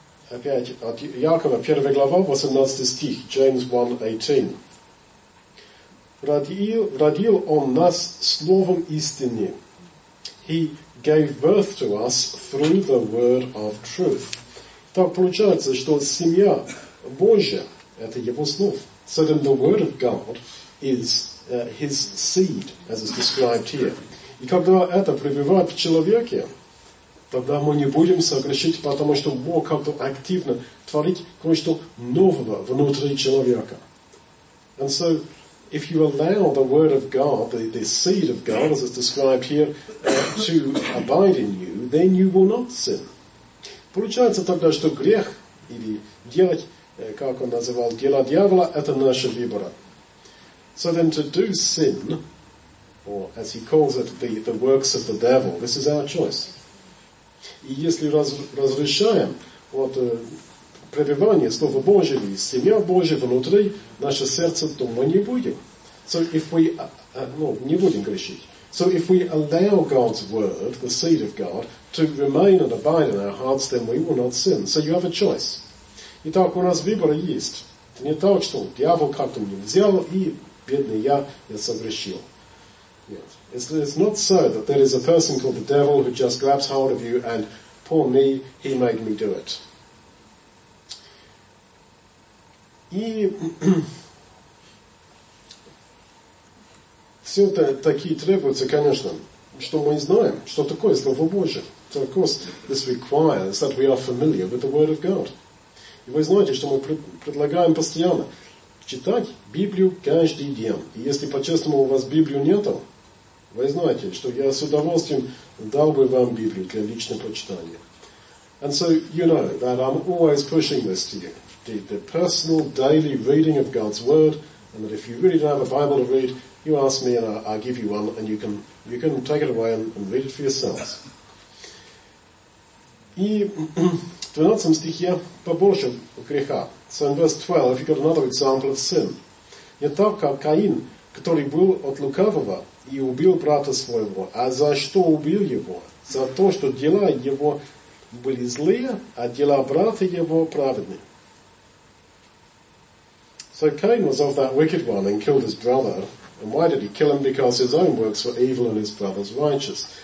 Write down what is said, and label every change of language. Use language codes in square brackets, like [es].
[ru] Опять от Якова, 1 глава, 18 стих, James 1:18. Родил он нас словом истины. [en] He gave birth to us through the word of truth. [ru] Так получается, что семья Божья, это его слов. [en] So then the word of God is his seed, as is described here. [ru] И когда это пребывает в человеке, тогда мы не будем согрешить, потому что Бог как-то активно творит кое-что нового внутри человека. [en] And so, if you allow the word of God, the seed of God, as is described here, to abide in you, then you will not sin. [ru] Получается тогда, что грех, или делать, как он называл, дела дьявола, это наше выбора. [en] So then to do sin, or as he calls it, the works of the devil, this is our choice. [ru] И если разрешаем вот пребывание Слова Божьего и семья Божья внутри наше сердце, то мы не будем. [en] So if we, [ru] не будем грешить. [en] So if we allow God's word, the seed of God, to remain and abide in our hearts, then we will not sin. So you have a choice. [ru] Итак, у нас выбор есть. Не так, что дьявол как-то меня взял, и бедный я согрешил. Нет. [en] It's not so that there is a person called the devil who just grabs hold of you and, poor me, he made me do it. [ru] И все это такие требуются, конечно, что мы знаем, что такое Слово Божие. [en] So, of course, this requires that we are familiar with the Word of God. [ru] И вы знаете, что мы предлагаем постоянно читать Библию каждый день. И если, по-честному, у вас Библию нету, вы знаете, что я с удовольствием дал бы вам Библию для личного прочитания. [en] And so you know that I'm always pushing this to you. The personal daily reading of God's Word, and that if you really don't have a Bible to read, you ask me and I'll give you one, and you can take it away and read it for yourselves. [ru] И в 12 стихе побольше греха. [en] So in verse 12, if you've got another example of sin. [ru] Не так, как Каин, который был от лукавого, и убил брата своего. А за что убил его? За то, что дела его были злые, а дела брата его праведны. [en] So Cain was of that wicked one and killed his brother. And why did he kill him? Because his own works were evil and his brother's righteous.